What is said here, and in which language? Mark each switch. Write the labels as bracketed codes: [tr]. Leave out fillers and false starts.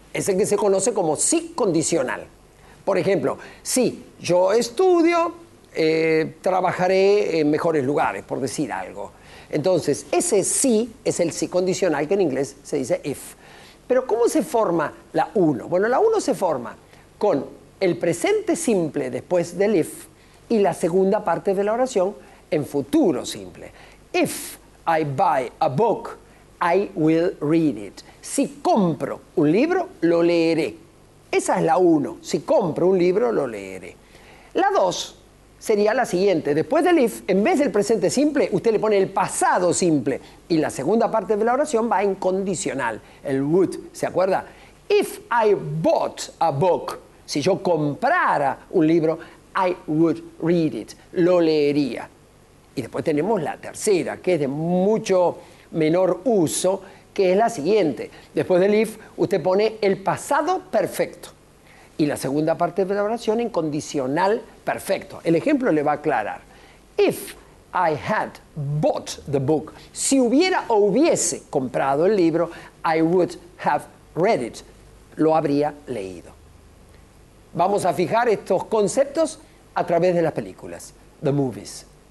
[es] Es el que se conoce como si condicional. Por ejemplo, si yo estudio, trabajaré en mejores lugares, por decir algo. Entonces, ese sí es el sí condicional, que en inglés se dice if. Pero, ¿cómo se forma la 1? Bueno, la 1 se forma con el presente simple después del if y la segunda parte de la oración en futuro simple. [en] If I buy a book, I will read it. [es] Si compro un libro, lo leeré. Esa es la 1. Si compro un libro, lo leeré. La 2 sería la siguiente. Después del if, en vez del presente simple, usted le pone el pasado simple. Y la segunda parte de la oración va en condicional. El would, ¿se acuerda? [en] If I bought a book, [es] si yo comprara un libro, [en] I would read it. [es] Lo leería. Y después tenemos la tercera, que es de mucho menor uso, que es la siguiente. Después del if, usted pone el pasado perfecto. Y la segunda parte de la oración en condicional perfecto. El ejemplo le va a aclarar. [en] If I had bought the book, [es] si hubiera o hubiese comprado el libro, [en] I would have read it. [es] Lo habría leído. Vamos a fijar estos conceptos a través de las películas, the movies.